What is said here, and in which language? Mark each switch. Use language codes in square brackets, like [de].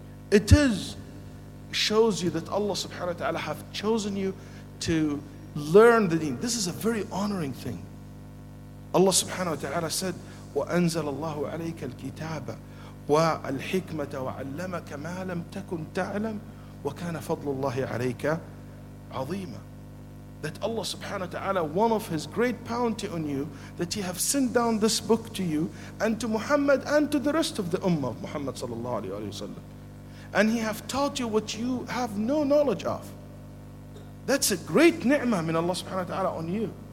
[en] It shows you that Allah subhanahu wa ta'ala have chosen you to learn the deen. This is a very honoring thing. [ar] Allah subhanahu wa ta'ala said, وَأَنْزَلَ اللَّهُ عَلَيْكَ الْكِتَابَ وَالْحِكْمَةَ وَعَلَّمَكَ مَا لَمْ تَكُنْ تَعْلَمْ وَكَانَ فَضْلُ اللَّهِ عَلَيْكَ عَظِيمًا. [en] That Allah subhanahu wa ta'ala, one of his great bounty on you, that he have sent down this book to you and to Muhammad and to the rest of the ummah of Muhammad sallallahu alayhi wa sallam. And he have taught you what you have no knowledge of. That's a great ni'mah min Allah subhanahu wa ta'ala on you.